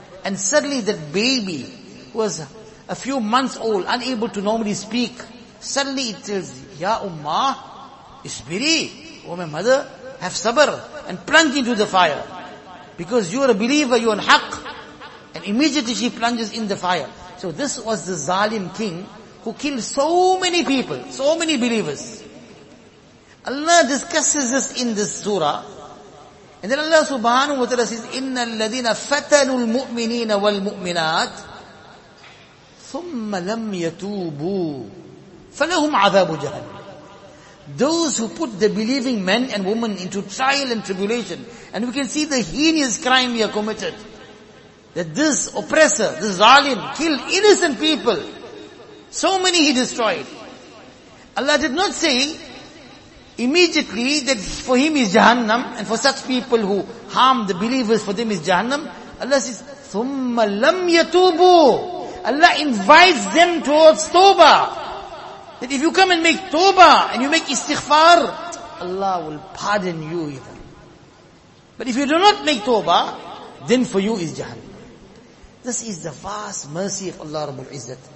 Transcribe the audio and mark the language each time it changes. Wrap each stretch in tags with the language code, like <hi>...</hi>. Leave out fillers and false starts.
<en>And suddenly that baby, who was a few months old, unable to normally speak, suddenly it tells,</en> <ar>Ya Ummah, Isbiri,</ar> <en>oh my mother, have sabr, and plunge into the fire. Because you are a believer, you are on haqq. And immediately she plunges in the fire. So this was the zalim king who killed so many people, so many believers. Allah discusses this in this surah. And then Allah subhanahu wa ta'ala says,</en> <ar>إِنَّ الَّذِينَ فَتَنُوا الْمُؤْمِنِينَ وَالْمُؤْمِنَاتِ ثُمَّ لَمْ يَتُوبُوا فَلَهُمْ عَذَابُ جَهَنَّمَ.</ar> <en>Those who put the believing men and women into trial and tribulation, and we can see the heinous crime we are committed, that this oppressor, this zalim, killed innocent people. So many he destroyed. Allah did not say immediately that for him is Jahannam, and for such people who harm the believers, for them is Jahannam. Allah says,</en> <ar>ثُمَّ لَمْ يَتُوبُ.</ar> <en>Allah invites them towards tawbah. That if you come and make tawbah and you make istighfar, Allah will pardon you even. But if you do not make tawbah, then for you is Jahannam. This is the vast mercy of Allah Rabbul Izzat.</en>